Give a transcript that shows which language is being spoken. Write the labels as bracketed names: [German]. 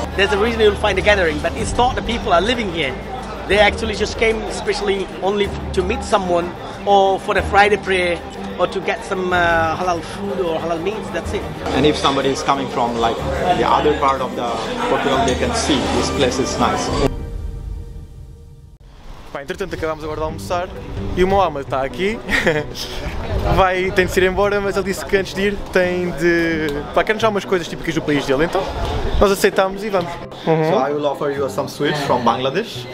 [English] There's a reason you'll find a gathering, but it's not the people are living here. They actually just came especially only to meet someone or for the Friday prayer or to get some halal food or halal meats, that's it. And if somebody is coming from like the other part of the Portugal, they can see this place is nice. [Portuguese] Bem, entretanto acabamos agora de almoçar e o Mohamed está aqui, vai, tem de se ir embora, mas ele disse que antes de ir tem de... Pá, quer-nos já umas coisas típicas do país dele, então nós aceitamos e vamos. [English] Uhum. So I will offer you some sweets from Bangladesh.